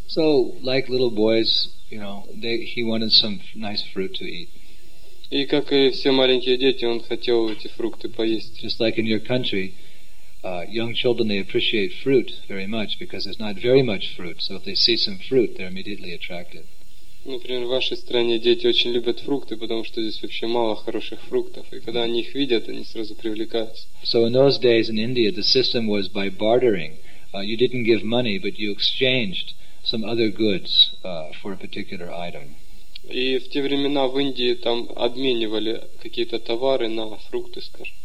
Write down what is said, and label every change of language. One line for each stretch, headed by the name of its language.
English: So, like little boys, you know, he wanted some nice fruit to eat.
Russian: И как и все маленькие дети, он хотел эти фрукты поесть.
English: Just like in your country, young children, they appreciate fruit very much because there's not very much fruit. So if they see some fruit, they're immediately attracted.
Russian: Например, в вашей стране дети очень любят фрукты, потому что здесь вообще мало хороших фруктов. И когда они их видят, они сразу привлекаются.
English: So in those days in India, the system was by bartering. You didn't give money, but you exchanged some other goods for a particular item.
Russian: И в те времена в Индии там обменивали какие-то товары на фрукты, скажем.